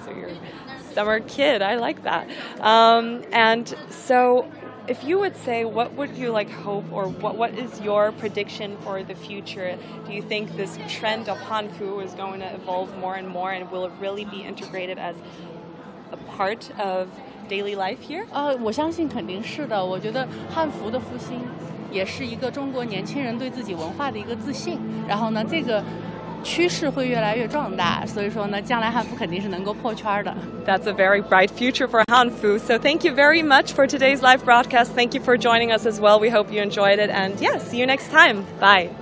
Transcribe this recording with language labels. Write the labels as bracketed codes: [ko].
[en] So you're a summer kid, I like that. And so if you would say, what would you like hope or what is your prediction for the future? Do you think this trend of Hanfu is going to evolve more and more and will it really be integrated as a part of... Daily life here? [zh] 我相信肯定是的。我觉得汉服的复兴也是一个中国年轻人对自己文化的一个自信。然后呢，这个趋势会越来越壮大。所以说呢，将来汉服肯定是能够破圈的。 [en] That's a very bright future for Hanfu. So thank you very much for today's live broadcast. Thank you for joining us as well. We hope you enjoyed it. And yeah, see you next time. Bye.